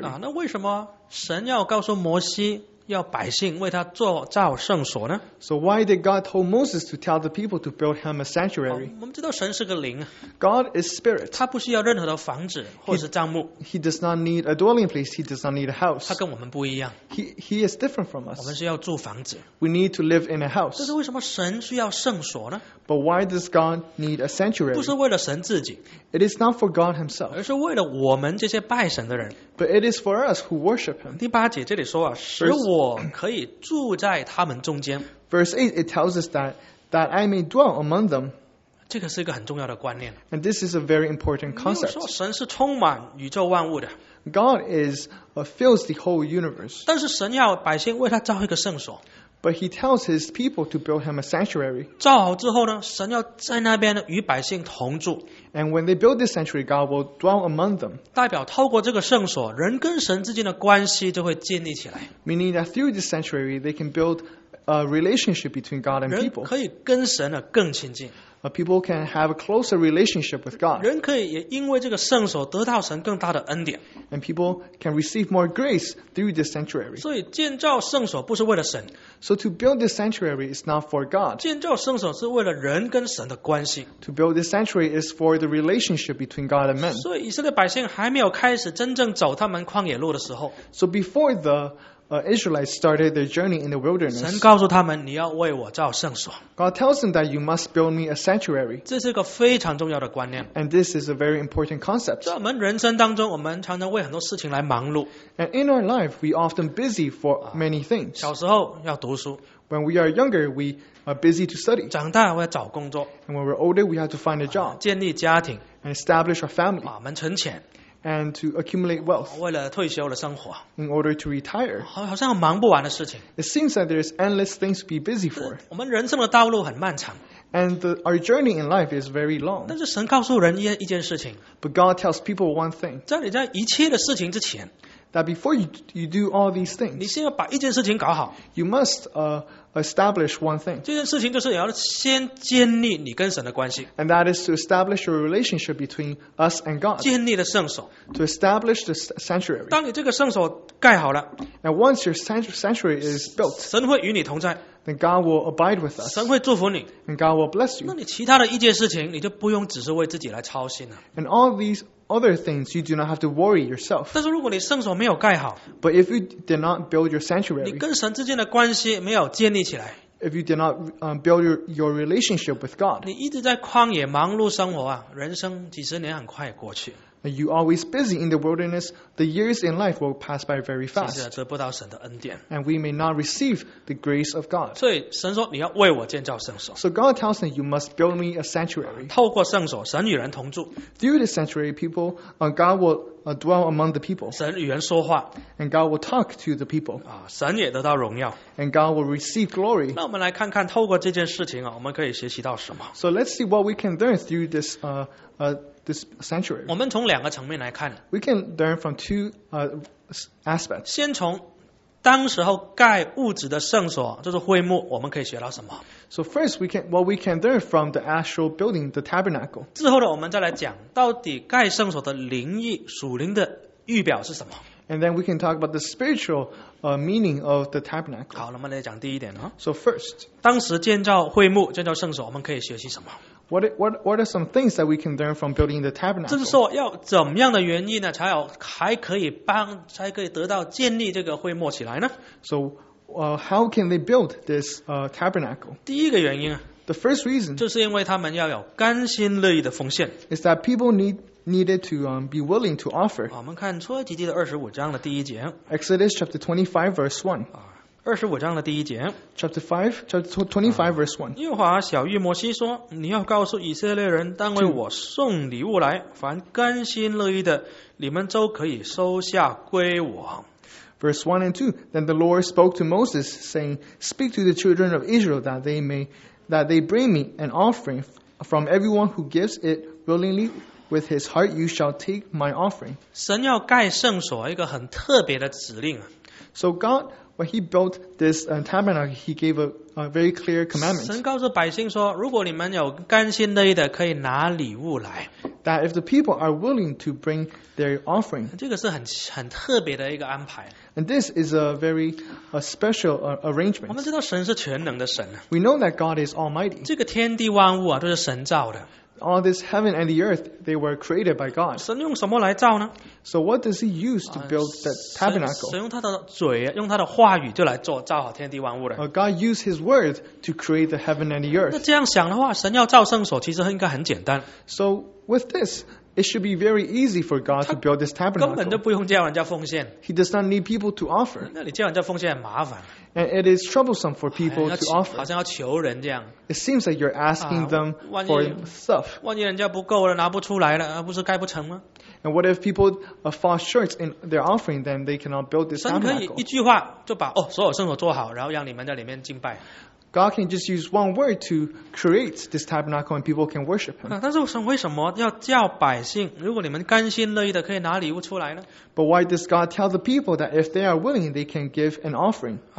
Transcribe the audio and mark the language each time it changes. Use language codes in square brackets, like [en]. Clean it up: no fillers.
[zh] 那为什么神要告诉摩西要百姓为他造圣所呢？ [en] So why did God told Moses to tell the people to build him a sanctuary? [zh] 我们知道神是个灵。 [en] God is spirit. [zh] 他不需要任何的房子或是帐幕。 [en] He does not need a dwelling place. He does not need a house. [zh] 他跟我们不一样。 [en] He is different from us. [zh] 我们是要住房子。 [en] We need to live in a house. [zh] 但是为什么神需要圣所呢？ [en] But why does God need a sanctuary? [zh] 不是为了神自己。 [en] It is not for God himself. [zh] 而是为了我们这些拜神的人。 [en] But it is for us who worship him. [zh] 第八节这里说啊， 使我可以住在他们中间。 [en] Verse 8, it tells us that I may dwell among them. [zh] 这个是一个很重要的观念。 [en] And this is a very important concept. [zh] 没有说神是充满宇宙万物的。 [en] God fills the whole universe. [zh] 但是神要百姓为他造一个圣所。 [en] But he tells his people to build him a sanctuary. [zh] 造好之后呢, 神要在那边与百姓同住。 [en] And when they build this sanctuary, God will dwell among them. [zh] 代表透过这个圣所, 人跟神之间的关系就会建立起来。 [en] Meaning that through this sanctuary, they can build relationship between God and people. [zh] 人可以跟神更亲近。 [en] People can have a closer relationship with God. [zh] 人可以也因为这个圣所得到神更大的恩典。 [en] And people can receive more grace through this sanctuary. [zh] 所以建造圣所不是为了神。 [en] So to build this sanctuary is not for God. [zh] 建造圣所是为了人跟神的关系。 [en] To build this sanctuary is for the relationship between God and men. [zh] 所以以色列百姓还没有开始真正走他们旷野路的时候。 [en] So before the Israelites started their journey in the wilderness. [zh] 神告诉他们，你要为我造圣所。 [en] God tells them that you must build me a sanctuary. [zh] 这是一个非常重要的观念。 [en] And this is a very important concept. [zh] 在我们人生当中，我们常常为很多事情来忙碌。 [en] And in our life, we often busy for many things. [zh] 小时候要读书。 [en] When we are younger, we are busy to study. [zh] 长大我要找工作。 [en] And when we're older, we have to find a job. [zh] 建立家庭。 [en] And establish our family. [zh] 我们存钱。 [en] And to accumulate wealth. [zh] 为了退休的生活。 [en] In order to retire. [zh] 好像忙不完的事情。 [en] It seems that there's endless things to be busy for. [zh] 我们人生的道路很漫长。 [en] And our journey in life is very long. [zh] 但是神告诉人一件事情。 [en] But God tells people one thing. [zh] 在你在一切的事情之前。 [en] That before you do all these things. [zh] 你先要把一件事情搞好。 [en] You must establish one thing. [zh] 这件事情就是要先建立你跟神的关系。 [en] And that is to establish a relationship between us and God. [zh] 建立了圣所。 [en] To establish the sanctuary. [zh] 当你这个圣所盖好了。 [en] And once your sanctuary is built. [zh] 神会与你同在。 [en] Then God will abide with us. [zh] 神会祝福你。 [en] And God will bless you. [zh] 那你其他的一件事情你就不用只是为自己来操心了。 [en] And all these other things, you do not have to worry yourself. [zh] 但是如果你圣所没有盖好, [en] but if you did not build your sanctuary, [zh] 你跟神之间的关系没有建立起来, [en] if you did not build your relationship with God, [zh] 你一直在旷野忙碌生活啊, 人生几十年很快过去。 [en] You always busy in the wilderness, the years in life will pass by very fast. [zh] 其实得不到神的恩典。 [en] And we may not receive the grace of God. [zh] 所以神说你要为我建造圣所。 [en] So God tells them you must build me a sanctuary. [zh] 透过圣所神与人同住。 [en] Through the sanctuary people, God will dwell among the people. [zh] 神与人说话。 [en] And God will talk to the people. [zh] 神也得到荣耀。 [en] And God will receive glory. [zh] 那我们来看看透过这件事情我们可以学习到什么。 [en] So let's see what we can learn through this this sanctuary. [zh] 我们从两个层面来看。 [en] We can learn from two aspects. [zh] 先从当时候盖物质的圣所，就是会幕，我们可以学到什么。 [en] So first, we can learn from the actual building, the tabernacle. [zh] 之后呢，我们再来讲到底盖圣所的灵意，属灵的预表是什么。 [en] And then we can talk about the spiritual meaning of the tabernacle. [zh] 好，那么来讲第一点。 [en] So first, [zh] 当时建造会幕，建造圣所，我们可以学习什么。 [en] What are some things that we can learn from building the tabernacle? [zh] 就是说要怎么样的原因呢才有还可以帮才可以得到建立这个会幕起来呢 [en] ?So, how can they build this tabernacle? [zh] 第一个原因 [en] The first reason. [zh] 就是因为他们要有甘心乐意的奉献。 [en] Is that people needed to be willing to offer. [zh] 我们看出埃及记的25章的第一节。 [en] Exodus chapter 25 verse 1. [zh] 二十五章的第一节 [en] Chapter 25 verse 1 [zh] 耶和华晓谕摩西说你要告诉以色列人当为我送礼物来凡甘心乐意的你们都可以收下归我 [en] Verse 1 and 2 Then the Lord spoke to Moses saying Speak to the children of Israel that they bring me an offering from everyone who gives it willingly with his heart you shall take my offering [zh] 神要盖圣所一个很特别的指令 [en] So GodWhen he built this tabernacle, he gave a very clear commandment. [zh] 神告诉百姓说，如果你们有甘心乐意的，可以拿礼物来。 [en] That if the people are willing to bring their offering. [zh] 这个是很特别的一个安排。 [en] And this is a very special arrangement. [zh] 我们知道神是全能的神。 [en] We know that God is almighty. [zh] 这个天地万物都是神造的。 [en] All this heaven and the earth, they were created by God. [zh] 神用什么来造呢? [en] So what does he use to build that tabernacle? [zh] 神用他的嘴,用他的话语就来做,造好天地万物的。 [en] God used his word to create the heaven and the earth. [zh] 那这样想的话,神要造圣所其实应该很简单。 [en] So with this, it should be very easy for God to build this tabernacle. [zh] 根本就不用叫人家奉献。 [en] He does not need people to offer. [zh] 那你叫人家奉献很麻烦。 [en] And it is troublesome for people to offer. [zh] 好像要求人这样。 [en] It seems like you're asking them for stuff. [zh] 万一人家不够了，拿不出来了，不是盖不成吗？ [en] And what if people fall short in their offering, then they cannot build this tabernacle. [zh] 神可以一句话就把所有圣所做好，然后让你们在里面敬拜。 [en] God can just use one word to create this tabernacle and people can worship him. But why does God tell the people that if they are willing, they can give an offering?